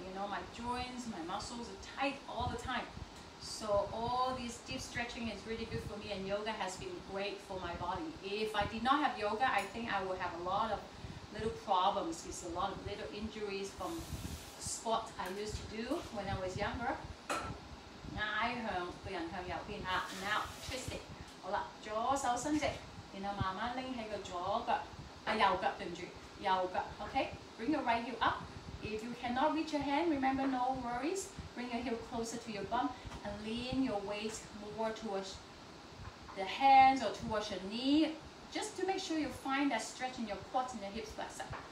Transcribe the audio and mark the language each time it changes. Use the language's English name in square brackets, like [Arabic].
[English] You know, my joints, my muscles are tight all the time. So all this deep stretching is really good for me, and yoga has been great for my body. If I did not have yoga, I think I would have a lot of little problems. It's a lot of little injuries from sports I used to do when I was younger. Now, twist it. [Cantonese] 好了,左手伸直,然后慢慢拎起个左脚。右腳,對不起,右腳, [English] okay? Bring your right heel up. If you cannot reach your hand, remember, no worries. Bring your heel closer to your bum and lean your weight more towards the hands or towards your knee, just to make sure you find that stretch in your quads and your hips flexor.